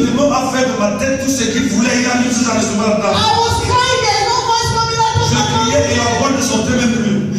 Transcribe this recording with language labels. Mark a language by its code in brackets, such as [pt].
[fr] a fait de ma tête tout ce qu'il voulait, il a mis tout ça dans ce moment-là. [en] I was crying, and no voice from me. [fr] Je criais et la voix ne sortait même plus.